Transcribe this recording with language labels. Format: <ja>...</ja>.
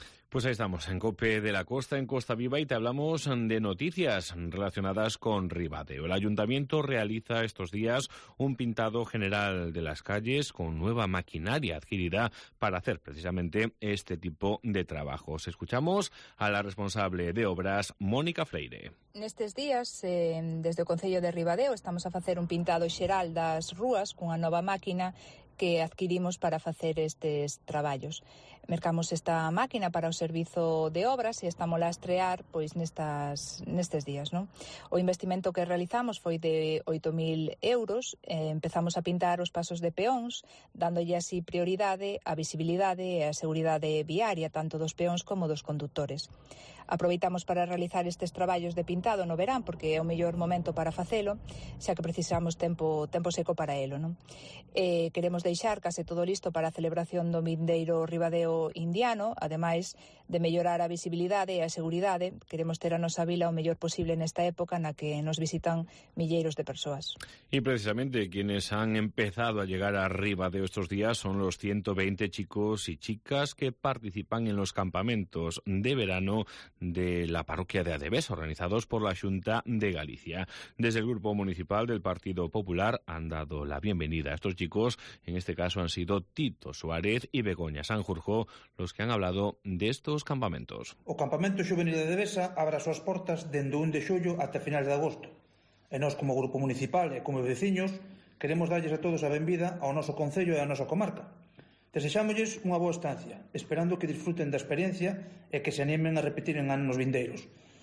<es>Pues ahí estamos, en COPE de la Costa, en Costa Viva, y te hablamos de noticias relacionadas con Ribadeo. El ayuntamiento realiza estos días un pintado general de las calles con nueva maquinaria adquirida para hacer precisamente este tipo de trabajos. Escuchamos a la responsable de obras, Mónica Freire.</es> <gl>Nestes días, desde o Concello de Ribadeo, estamos a facer un pintado xeral das rúas cunha nova máquina que adquirimos para facer estes traballos. Mercamos esta máquina para o servizo de obras e estamos a estrear pois nestes días, non? O investimento que realizamos foi de 8.000 euros. Empezamos a pintar os pasos de peóns, dándolle así prioridade á visibilidade e á seguridade viaria, tanto dos peóns como dos condutores. Aproveitamos para realizar estes traballos de pintado no verán, porque é o mellor momento para facelo, xa que precisamos tempo seco para elo, non? Queremos deixar case todo listo para a celebración do vindeiro Ribadeo Indiano. Ademais de mellorar a visibilidade e a seguridade, queremos ter a nosa vila o mellor posible nesta época na que nos visitan milleiros de persoas.</gl> <es>E precisamente quienes han empezado a llegar a Ribadeo estos días son los 120 chicos e chicas que participan en los campamentos de verano de la parroquia de Adebes, organizados por la Xunta de Galicia. Desde el Grupo Municipal del Partido Popular han dado la bienvenida a estos chicos. En este caso han sido Tito Suárez y Begoña Sanjurjo los que han hablado de estos campamentos.</es> <gl>O campamento xuvenil de Devesa abre as súas portas dende 1 de xullo até finales de agosto. E nós, como Grupo Municipal e como veciños, queremos darlles a todos a benvida ao noso concello e á nosa comarca. Desexámoslles unha boa estancia, esperando que disfruten da experiencia e que se animen a repetir en anos vindeiros.</gl>